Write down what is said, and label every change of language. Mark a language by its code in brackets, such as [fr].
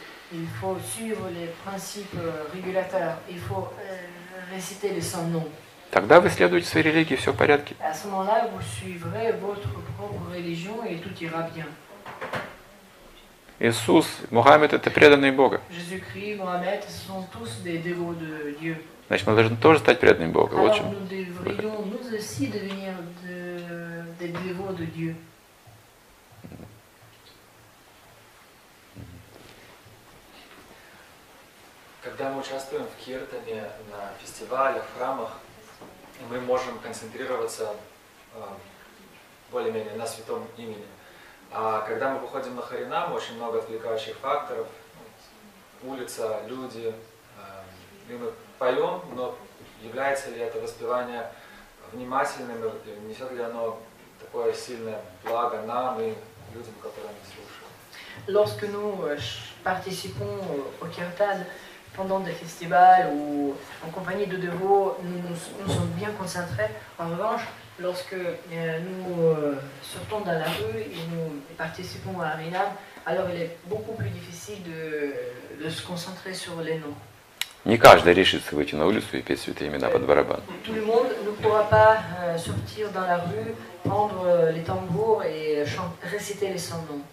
[fr] Il faut suivre les principes régulateurs. Il faut réciter les saints noms. [ru] Тогда вы следуете своей религии, все в порядке. [fr] À ce moment-là, vous suivrez votre propre religion et tout ira bien. [ru] Иисус, Мухаммед, это преданные Бога. [fr] Jésus-Christ, Mohammed, sont tous des dévots de Dieu. [ru] Значит, мы должны тоже стать преданными Богу. [fr] Alors, [ru] вот чем. [fr] Nous devrions nous aussi devenir des dévots de Dieu. [ru] Когда мы участвуем в киртане, на фестивалях, в храмах, мы можем концентрироваться более-менее на святом имени. А когда мы выходим на харинаму, очень много отвлекающих факторов, улица, люди, и мы поем, но является ли это воспевание внимательным, несет ли оно такое сильное благо нам и людям, которые нас слушают? [fr] Lorsque nous participons au kirtan, pendant des festivals ou en compagnie de dévots, nous sommes bien concentrés. En revanche, lorsque nous sortons dans la rue et nous participons à Harinam, alors il est beaucoup plus difficile de se concentrer sur les noms. [ru] Не каждый решится выйти на улицу и петь святые имена под барабан. [fr] Tout le monde ne pourra pas sortir dans la rue, prendre les tambours et réciter les saints noms.